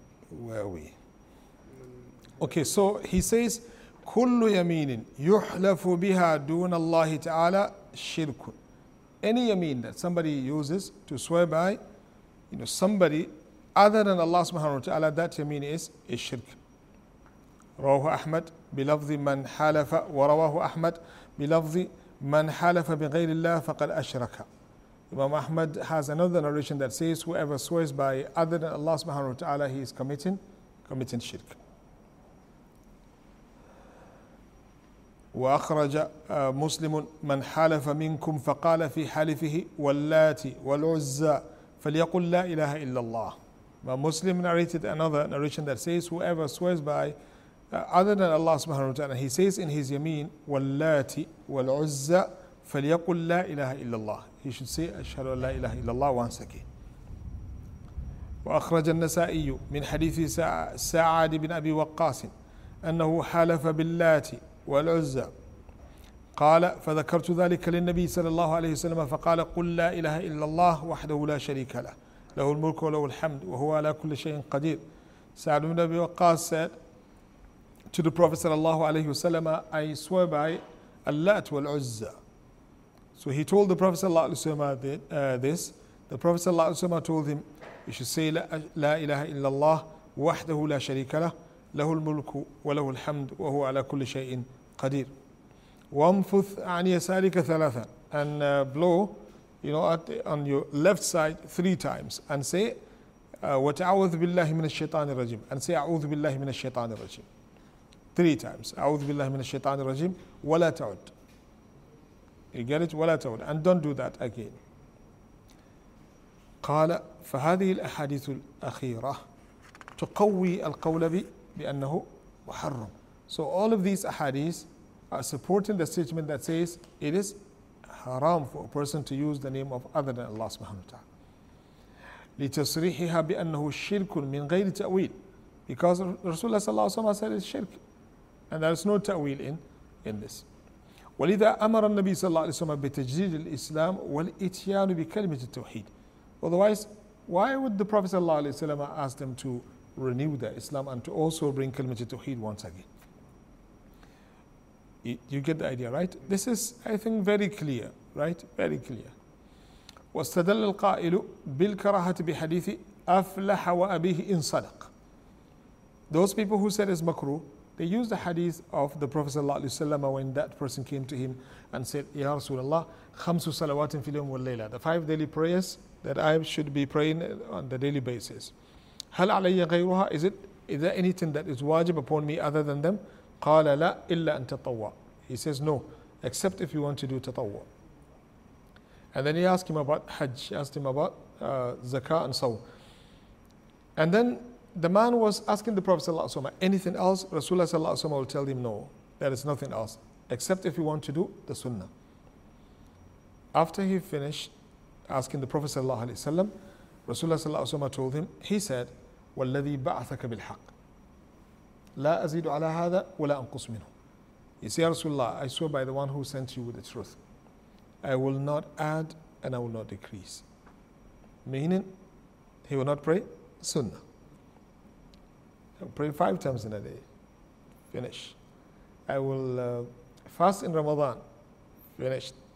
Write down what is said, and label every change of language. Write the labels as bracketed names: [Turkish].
[English] Where are we? Okay, so he says, [Arabic] "Kullu yaminin yuhlafu biha dun Allah Taala shirkun." [English] Any yamin that somebody uses to swear by, you know, somebody other than Allah Subhanahu wa Taala, that yamin is shirk. [Arabic] رواه أحمد بلفظ من حلف ورواه أحمد بلفظ من حلف بغير الله فقد أشرك. [English] Imam Ahmad has another narration that says whoever swears by other than Allah subhanahu wa ta'ala, he is committing shirk. [Arabic] وأخرج مسلم من حلف منكم فقال في حلفه واللات والعزى فليقل لا إله إلا الله. [English] But Muslim narrated another narration that says whoever swears by other than Allah subhanahu wa ta'ala, he says in his yameen [Arabic] واللات والعزى فليقل لا إله إلا الله. [English] He should say [Arabic] أشهد أن لا إله إلا الله [English] once again. [Arabic] وأخرج النسائي من حديث سعد بن أبي وقاص أنه حلف باللات والعزى قال فذكرت ذلك للنبي صلى الله عليه وسلم فقال قل لا إله إلا الله وحده لا شريك له له الملك وله الحمد وهو على كل شيء قدير. [English] سعد بن أبي وقاص said to the Prophet صلى الله عليه وسلم I swear by اللات والعزى. So he told the Prophet صلى الله عليه وسلم this. The Prophet صلى الله عليه وسلم told him you should say [Arabic] لا إله إلا الله وحده لا شريك له له الملك وله الحمد وهو على كل شيء قدير. وانفث عن يسارك ثلاثا [English] and blow you know on your left side three times and say [Arabic] وتعوذ بالله من الشيطان الرجيم [English] and say [Arabic] أعوذ بالله من الشيطان الرجيم [English] three times [Arabic] أعوذ بالله من الشيطان الرجيم ولا تعد. [English] You get it? [Arabic] ولا تعد [English] and don't do that again. [Arabic] قال فهذه الأحاديث الأخيرة تقوي القول بي بأنه محرم. [English] So all of these ahadith are supporting the statement that says it is haram for a person to use the name of other than Allah subhanahu wa ta'ala. [Arabic] لتصريحها بأنه شرك من غير تأويل. [English] Because Rasulullah sallallahu alayhi wa sallam said it's shirk. And there is no ta'wil in this. [Arabic] ولذا أمر النبي صلى الله عليه وسلم بتجديد الإسلام والإتيان بكلمة التوحيد. [English] Otherwise, why would the Prophet sallallahu alayhi wa sallam ask them to renew the Islam and to also bring Kalimat al-Tawheed once again? You get the idea, right? This is, I think, very clear, right? Very clear. [Arabic] واستدل القائل بالكراهة بحديث أفلح وأبيه إن صدق. [English] Those people who said it's makruh, they used the hadith of the Prophet صلى الله عليه وسلم when that person came to him and said, [Arabic] يا رسول الله خمس صلوات في اليوم والليلة. [English] The five daily prayers that I should be praying on the daily basis. [Arabic] هل علي غيرها? [English] Is there anything that is wajib upon me other than them? [Arabic] قال لا إلا أن تطوع. [English] He says no, except if you want to do تطوع. And then he asked him about Hajj. He asked him about zakah and sawm. And then the man was asking the Prophet صلى الله عليه وسلم anything else? Rasulullah صلى الله عليه وسلم will tell him no, there is nothing else except if you want to do the sunnah. After he finished asking the Prophet صلى الله عليه وسلم, Rasulullah صلى الله عليه وسلم told him, he said, [Arabic] والذي بعثك بالحق لا أزيد على هذا ولا أنقص منه. [English] He said, Rasulullah, I swear by the one who sent you with the truth. I will not add and I will not decrease. Meaning, he will not pray sunnah. I will pray five times in a day. Finish. I will fast in Ramadan. Finished.